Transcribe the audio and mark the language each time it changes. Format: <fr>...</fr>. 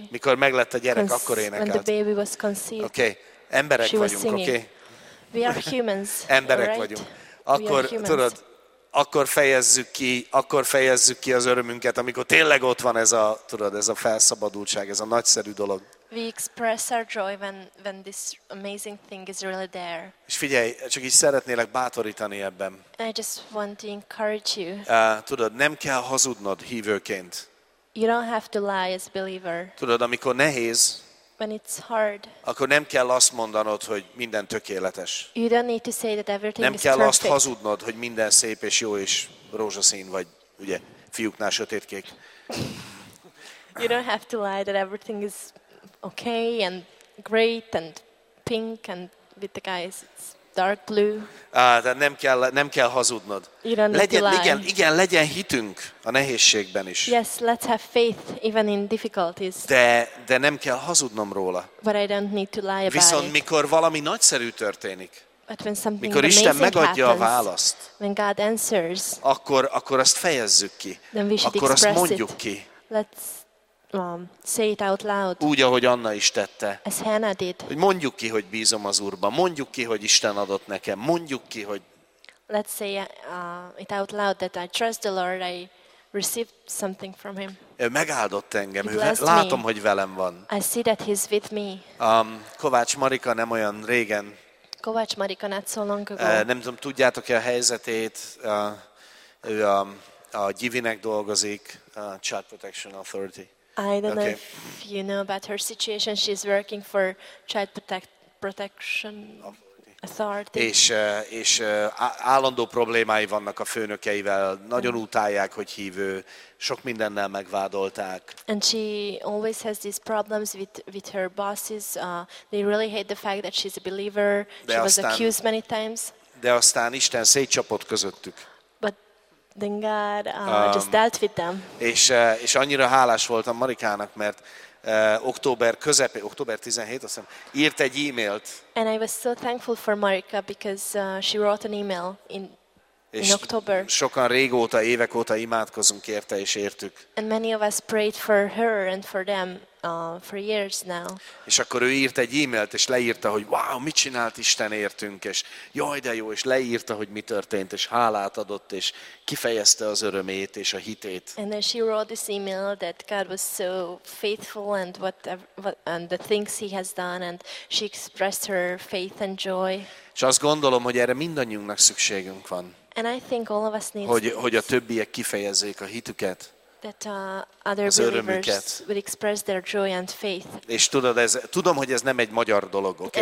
<hu>mikor meglett a gyerek, akkor énekelt.</hu> <en>When the baby was conceived.</en> <hu>Okay. Emberek</hu> <en>she</en> <hu>vagyunk, oké?</hu> <en>Okay? We are humans.</en> <hu>Emberek</hu> <en>right?</en> <hu>Vagyunk. Akkor tudod, akkor fejezzük ki az örömünket, amikor tényleg ott van ez a, tudod, ez a felszabadultság, ez a nagyszerű dolog.</hu> <en>We express our joy when this amazing thing is really there.</en> <hu>És figyelj, csak így szeretnélek bátorítani ebben.</hu> <en>I just want to encourage you.</en> <hu>Tudod, nem kell hazudnod hívőként.</hu> <en>You don't have to lie as believer.</en> <hu>Tudod, amikor nehéz,</hu> <en>when it's hard,</en> <hu>akkor nem kell azt mondanod, hogy minden tökéletes.</hu> <en>You don't need to say that everything</en> <hu>nem kell</hu> <en>is</en> <hu>azt hazudnod, hogy minden szép és jó és rózsaszín, vagy ugye fiúknál sötétkék.</hu> <en>You don't have to lie that everything is okay and great and pink and with the guys it's dark blue.</en> <hu>Nem kell hazudnod.</hu> <en>You don't need</en> <hu>legyen,</hu> <en>to lie.</en> <hu>Igen, legyen hitünk a nehézségben is.</hu> <en>Yes, let's have faith even in difficulties.</en> <hu>De nem kell hazudnom róla.</hu> <en>But I don't need to lie about it.</en> <hu>Viszont mikor valami nagyszerű történik,</hu> <en>but when something</en> <hu>mikor Isten megadja</hu> <en>happens,</en> <hu>a választ,</hu> <en>when God answers,</en> <hu>akkor azt fejezzük ki.</hu> <en>Then we should</en> <hu>akkor</hu> <en>express</en> <hu>azt mondjuk</hu> <en>it.</en> <hu>Ki.</hu> <en>Let's say it out loud.</en> <hu>Úgy, ahogy Anna is tette.</hu> <en>As Hannah did.</en> <hu>Hogy mondjuk ki, hogy bízom az Úrban. Mondjuk ki, hogy Isten adott nekem. Mondjuk ki, hogy...</hu> <en>Let's say it out loud that I trust the Lord. I received something from him.</en> <hu>Ő megáldott engem.</hu> <en>He blessed me.</en> <hu>Látom,</hu> <en>me.</en> <hu>Hogy velem van.</hu> <en>I see that he's with me.</en> <hu>Kovács Marika nem olyan régen.</hu> <en>Kovács Marika not so long ago.</en> <hu>Nem tudom, tudjátok-e a helyzetét. Ő a Givinek dolgozik.</hu> <en>Child Protection Authority. I don't okay. know if you know about her situation. She's working for Child Protection authority.</en> <hu>És állandó problémái vannak a főnökeivel, nagyon utálják, hogy hívő, sok mindennel megvádolták.</hu> <en>And she always has these problems with her bosses. They really hate the fact that she's a believer. She was accused many times.</en> <hu>De aztán Isten szétcsapott közöttük.</hu> <en>Then God just dealt with them.</en> <hu>És annyira hálás voltam Marikának, mert október közepén, október 17, azt hiszem, írt egy e-mailt.</hu> <en>And I was so thankful for Marika because she wrote an email in October.</en> <hu>Sokan régóta, évek óta imádkozunk érte és értük.</hu> <en>And many of us prayed for her and for them for years now.</en> <hu>És akkor ő írt egy e-mailt és leírta, hogy wow, mit csinált Isten értünk, és jaj, de jó, és leírta, hogy mi történt, és hálát adott, és kifejezte az örömét és a hitét.</hu> <en>And then she wrote this email that God was so faithful and what and the things he has done, and she expressed her faith and joy.</en> <hu>És azt gondolom, hogy erre mindannyiunknak szükségünk van.</hu> <en>And I think all of us need</en> <hu>hogy a többiek kifejezzék a hitüket.</hu> <en>That other believers would express their joy and faith.</en> <hu>És tudod, ez, tudom, hogy ez nem egy magyar dolog, oké?</hu>